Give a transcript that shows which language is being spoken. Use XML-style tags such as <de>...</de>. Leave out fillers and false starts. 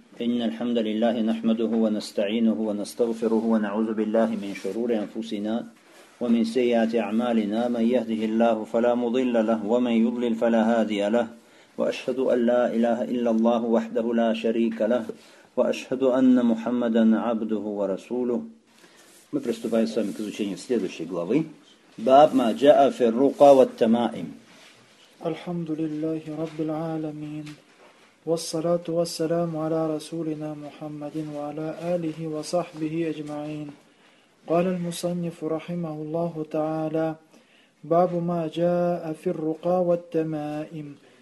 <ar>إن الحمد لله نحمده ونستعينه ونستغفره ونعوذ بالله من شرور أنفسنا ومن سيئات أعمالنا، من يهده الله فلا مضل له ومن يضلل فلا هادي له، وأشهد أن لا إله إلا الله وحده لا شريك له، وأشهد أن محمدا عبده ورسوله.</ar> <ru>Мы приступаем с вами к изучению следующей главы.</ru> <ar>باب ما جاء في الرقى والتمائم. الحمد لله رب العالمين والصلاة والسلام على رسولنا محمد وعلى آله وصحبه أجمعين. قال المصنف رحمه الله تعالى: باب ما جاء في الرقى والتمائم.</ar>